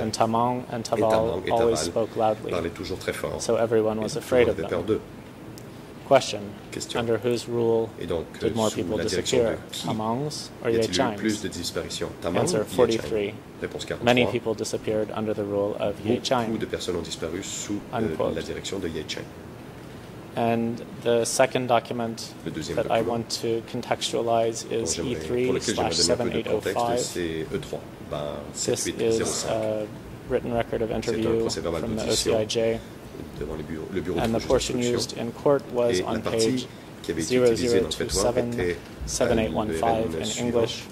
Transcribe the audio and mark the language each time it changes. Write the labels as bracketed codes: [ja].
[en] And Ta Mang and Ta Val always spoke loudly, so everyone was afraid of them. Question. Question. Under whose rule did more people disappear? Tamang's or Ye Chang's? [fr] Plus de disparitions? Tamang, [en] answer 43. Many people disappeared under the rule of Ye Chang. [fr] Beaucoup de personnes ont disparu sous la direction de Ye Chang. [en] And the second document that I want to contextualize is E3/7805. This is a written record of interview from the OCIJ. And the portion used in court was on page 0027-7815 in English,